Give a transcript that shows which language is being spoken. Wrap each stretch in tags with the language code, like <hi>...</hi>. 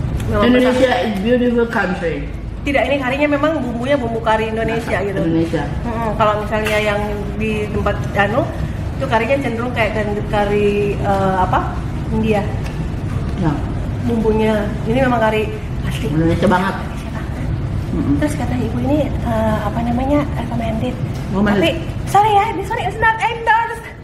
<en>Indonesia is beautiful country.</en> <id>Tidak, ini karinya memang bumbunya bumbu kari Indonesia gitu. Indonesia. Kalau misalnya yang di tempat anu itu karinya cenderung kayak kari apa? India. Ya. Bumbunya ini memang kari asli. Indonesia banget. Mm-hmm. Terus kata ibu ini apa namanya?</id> <en>Recommended. Bumal. Tapi sorry ya, this one is not endorsed.</en>